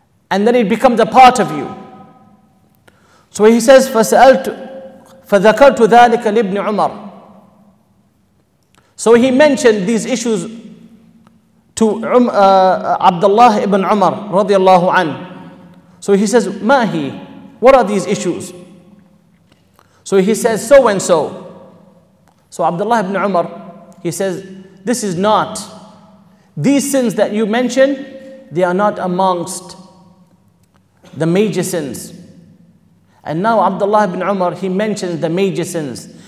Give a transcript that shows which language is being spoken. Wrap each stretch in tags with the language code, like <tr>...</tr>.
<en>And then it becomes a part of you. So he says,</en> <ar>فَذَكَرْتُ ذَلِكَ لِبْنِ عُمَرِ.</ar> <en>So he mentioned these issues to Abdullah ibn Umar radiallahu an. So he says, Mahi, what are these issues? So he says, so and so. So Abdullah ibn Umar, he says, this is not, these sins that you mention, they are not amongst the major sins. And now Abdullah ibn Umar, he mentions the major sins.</en>